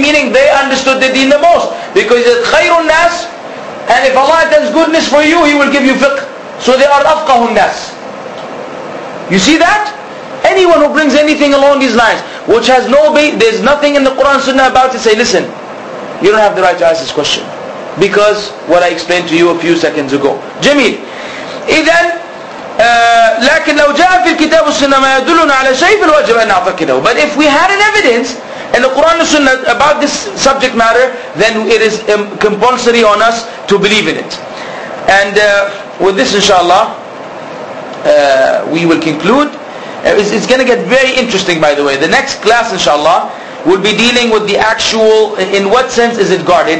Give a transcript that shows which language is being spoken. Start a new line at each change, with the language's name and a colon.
English: Meaning they understood the deen the most. Because he said, khayrun nas, and if Allah intends goodness for you, He will give you fiqh. So they are afqahun nas. You see that? Anyone who brings anything along these lines, which has no bait, there's nothing in the Quran Sunnah about it, say, listen, you don't have the right to ask this question. Because what I explained to you a few seconds ago. Jameel.
Arabic: Idan, لكن لو جاء في الكتاب والسنة ما يدلنا على شيء فالواجب أن نعتقده.
English: But if we had an evidence in the Quran and Sunnah about this subject matter, then it is compulsory on us to believe in it. And with this, inshallah, we will conclude. It's going to get very interesting, by the way. The next class, inshallah, will be dealing with the actual, in what sense is it guarded?